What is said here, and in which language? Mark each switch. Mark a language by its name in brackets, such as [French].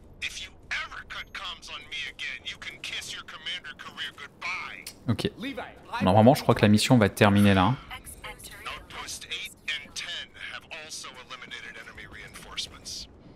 [English] If you ever cut comms on me again, you can kiss your commander career goodbye. Ok. [French] Normalement, je crois que la mission va être terminée là. [English] Outpost 8 and 10 have also eliminated enemy reinforcements.